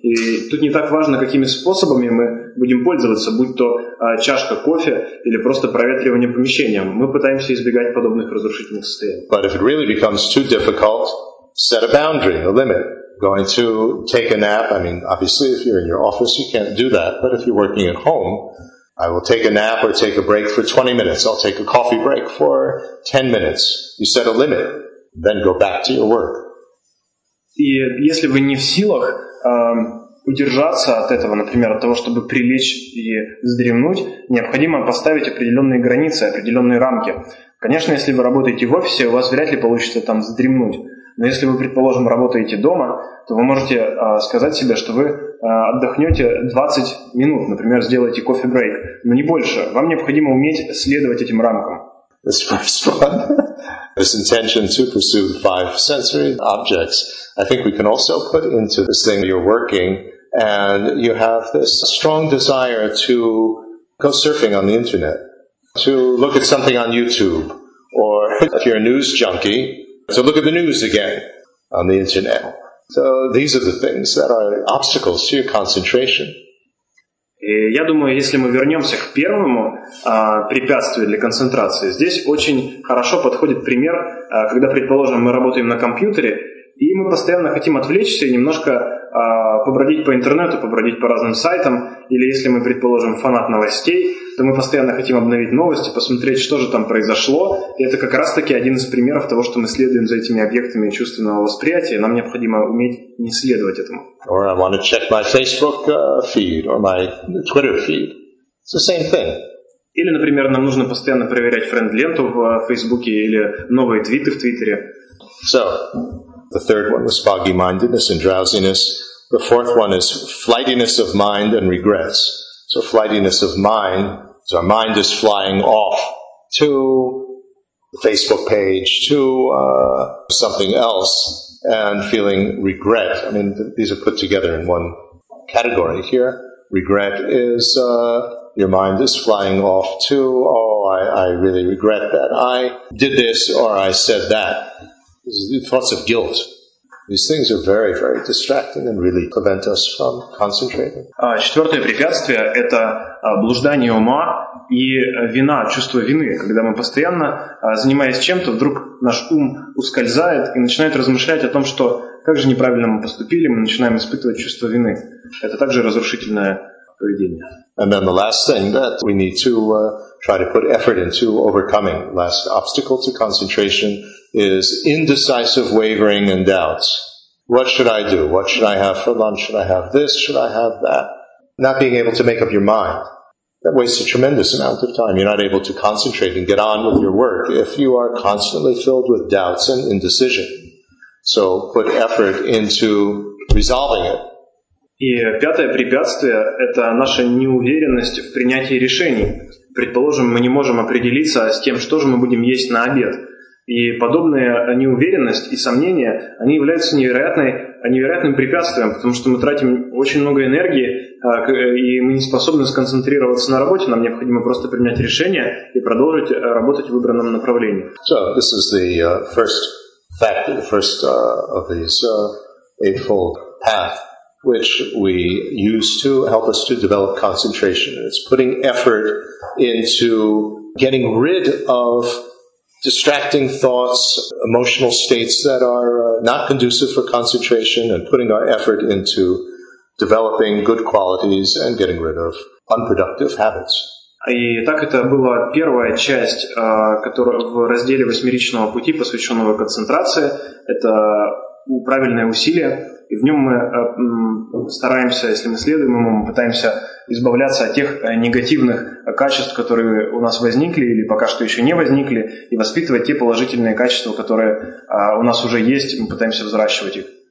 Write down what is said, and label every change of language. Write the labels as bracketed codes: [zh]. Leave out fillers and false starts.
[ru] И тут не так важно, какими способами мы будем пользоваться, будь то чашка кофе или просто проветривание помещения. Мы пытаемся избегать подобных разрушительных состояний. [en] But if it really becomes too difficult, set a boundary, a limit. Going to take a nap, I mean, obviously if you're in your office, you can't do that, but if you're working at home, I will take a nap or take a break for 20 minutes. I'll take a coffee break for 10 minutes. You set a limit, then go back to your work. [ru] И если вы не в силах удержаться от этого, например, от того, чтобы прилечь и вздремнуть, необходимо поставить определенные границы, определенные рамки. Конечно, если вы работаете в офисе, у вас вряд ли получится там вздремнуть. Но если вы, предположим, работаете дома, то вы можете сказать себе, что вы отдохнете 20 минут, например, сделаете кофе-брейк, но не больше. Вам необходимо уметь следовать этим рамкам. [en] This first one, this intention to pursue the five sensory objects, I think we can also put into this thing you're working, and you have this strong desire to go surfing on the internet, to look at something on YouTube, or if you're a news junkie, so look at the news again on the internet. So these are the things that are obstacles to your concentration. [ru] И я думаю, если мы вернемся к первому препятствию для концентрации, здесь очень хорошо подходит пример, когда, предположим, мы работаем на компьютере, и мы постоянно хотим отвлечься и немножко побродить по интернету, побродить по разным сайтам, или если мы, предположим, фанат новостей, то мы постоянно хотим обновить новости, посмотреть, что же там произошло, и это как раз-таки один из примеров того, что мы следуем за этими объектами чувственного восприятия, нам необходимо уметь не следовать этому. [en] Or I want to check my Facebook feed or my Twitter feed. It's the same thing. [ru] Или, например, нам нужно постоянно проверять френд-ленту в Фейсбуке или новые твиты в Твиттере. [en] So, the third one was foggy-mindedness and drowsiness. The fourth one is flightiness of mind and regrets. So flightiness of mind, so our mind is flying off to the Facebook page, to something else, and feeling regret. I mean, these are put together in one category here. Regret is your mind is flying off to, I really regret that I did this or I said that. Thoughts of guilt. These things are very, very distracting and really prevent us from concentrating. [ru] Четвертое препятствие – это блуждание ума и вина, чувство вины. Когда мы постоянно, занимаясь чем-то, вдруг наш ум ускользает и начинает размышлять о том, что как же неправильно мы поступили, мы начинаем испытывать чувство вины. Это также разрушительное поведение. [en] And then the last thing that we need to try to put effort into overcoming, last obstacle to concentration, is indecisive wavering and doubts. What should I do? What should I have for lunch? Should I have this? Should I have that? Not being able to make up your mind. That wastes a tremendous amount of time. You're not able to concentrate and get on with your work if you are constantly filled with doubts and indecision. So put effort into resolving it. [ru] И пятое препятствие – это наша неуверенность в принятии решений. Предположим, мы не можем определиться с тем, что же мы будем есть на обед. И подобная неуверенность и сомнения, они являются невероятным препятствием, потому что мы тратим очень много энергии, и мы не способны сконцентрироваться на работе, нам необходимо просто принять решение и продолжить работать в выбранном направлении. [en] So, this is the first factor, the first of these eightfold path, which we use to help us to develop concentration. It's putting effort into getting rid of distracting thoughts, emotional states that are not conducive for concentration, and putting our effort into developing good qualities and getting rid of unproductive habits. [ru] И так это была первая часть, которая в разделе восьмеричного пути, посвященного концентрации, это правильное усилие. И в нем мы стараемся, если мы следуем ему, мы пытаемся избавляться от тех негативных качеств, которые у нас возникли или пока что еще не возникли, и воспитывать те положительные качества, которые у нас уже есть, мы пытаемся взращивать их.